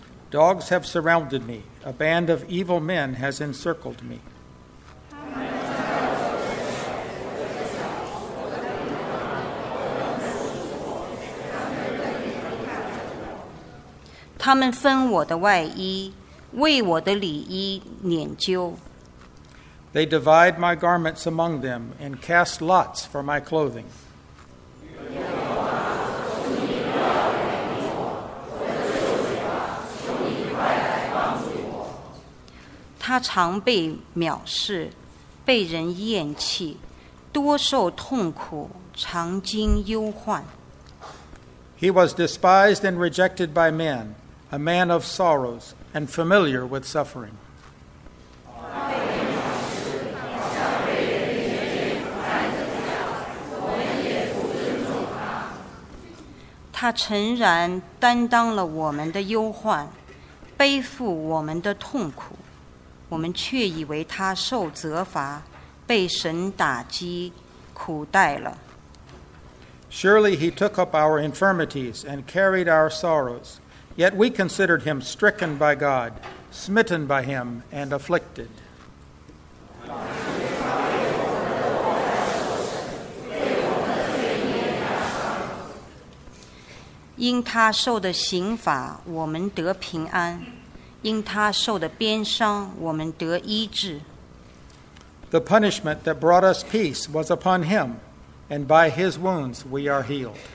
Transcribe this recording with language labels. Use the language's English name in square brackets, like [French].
[English] Dogs have surrounded me. A band of evil men has encircled me. [Chinese] 他们分我的外衣，为我的里衣捻阄。 [English] They divide my garments among them and cast lots for my clothing. [Chinese] 他常被藐视，被人厌弃，多受痛苦，常经忧患。 [English] He was despised and rejected by men, a man of sorrows and familiar with suffering. [Chinese] 他诚然担当了我们的忧患，背负我们的痛苦。我们却以为他受责罚，被神打击，苦待了。 [English] Surely he took up our infirmities and carried our sorrows, yet we considered him stricken by God, smitten by him and afflicted. [Chinese] 因他受的刑罚，我们得平安。因他受的鞭伤，我们得医治。 [English] The punishment that brought us peace was upon him, and by his wounds we are healed.